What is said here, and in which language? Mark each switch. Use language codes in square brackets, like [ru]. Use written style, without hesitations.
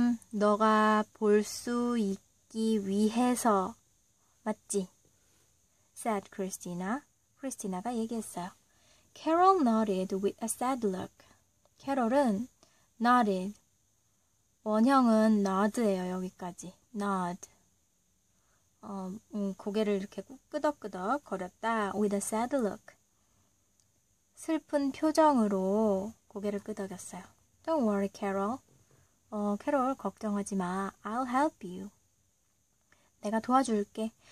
[ko] 너가 볼수 있기 위해서, 맞지? [en] said Christina. [ko] Christina가 얘기했어요. [en] Carol nodded with a sad look. Carol은 nodded. [ko] 원형은 nod예요, 여기까지. [en] nod. [ko] 고개를 이렇게 끄덕끄덕 거렸다. [en] with a sad look. [ko] 슬픈 표정으로 고개를 끄덕였어요. [en] Don't worry, Carol. [ko] 캐롤, 걱정하지 마. [en] I'll help you. [ko] 내가 도와줄게.